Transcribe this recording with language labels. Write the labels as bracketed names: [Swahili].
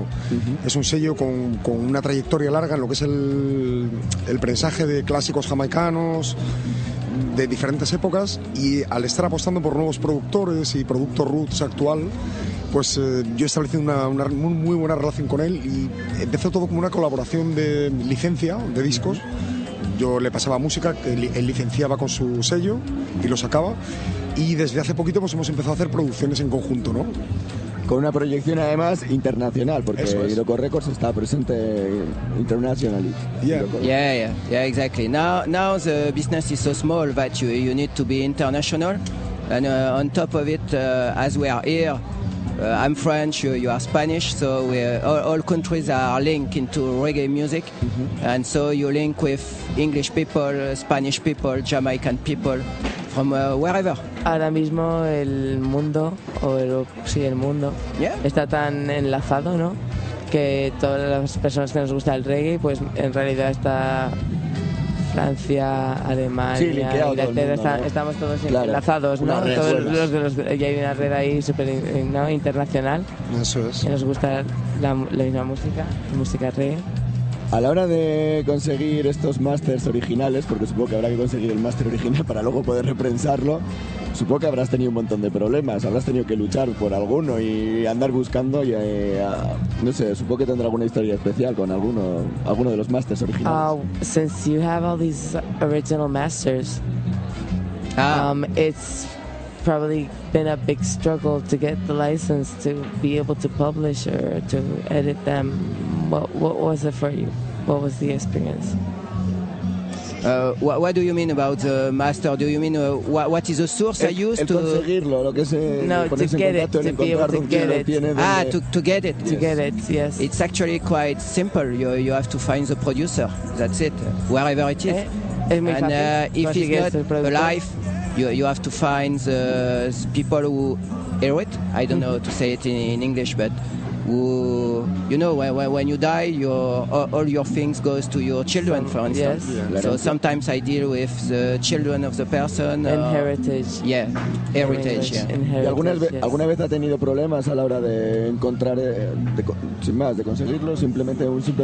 [Spanish] Uh-huh. Es un sello con una trayectoria larga en lo que es el prensaje de clásicos jamaicanos de diferentes épocas, y al estar apostando por nuevos productores y producto roots actual, pues yo he establecido una muy buena relación con él, y empezó todo como una colaboración de licencia de discos. Yo le pasaba música, él licenciaba con su sello y lo sacaba, y desde hace poquito pues hemos empezado a hacer producciones en conjunto, ¿no? Con una proyección además internacional, porque Iroko Records está presente internationally. [English] Yeah, exactly. Now the business is so small that you need to be international, and on top of it, as we are here, I'm French, you are Spanish, so we all countries are linked into reggae music, mm-hmm, and so you link with English people, Spanish people, Jamaican people. from wherever. [Spanish] Ahora mismo el mundo, o el, sí, el mundo, [English] yeah, [Spanish] está tan enlazado, ¿no? Que todas las personas que nos gusta el reggae, pues en realidad está Francia, Alemania, sí, Inglaterra, todo el mundo, está, ¿no? Estamos todos, claro, enlazados, ¿no? Todos los, ya hay una red ahí súper, ¿no?, internacional. Eso es. Que nos gusta la misma música, música reggae. A la hora de conseguir estos másters originales, porque supongo que habrá que conseguir el máster original para luego poder reprensarlo, supongo que habrás tenido un montón de problemas, habrás tenido que luchar por alguno y andar buscando y, no sé, supongo que tendrá alguna historia especial con alguno de los másters originales. [English] Since you have all these original masters, it's probably been a big struggle to get the license to be able to publish or to edit them. What was it for you? What was the experience? What do you mean about the master? Do you mean what is the source I use to [Spanish] conseguirlo, lo que se, [English] no, to get it, to be able to get it. Ah, to get it. To, yes, get it, yes. It's actually quite simple. You have to find the producer. That's it. Wherever it is. And if it's not alive, you have to find the people who hear it. I don't know how to say it in English, but who, you know, when you die, all your things goes to your children, for instance. Yes. So sometimes I deal with the children of the person. Heritage. Yeah, heritage. [Spanish] ¿Alguna vez ha tenido problemas a la hora de encontrar, sin más, de conseguirlo, simplemente un simple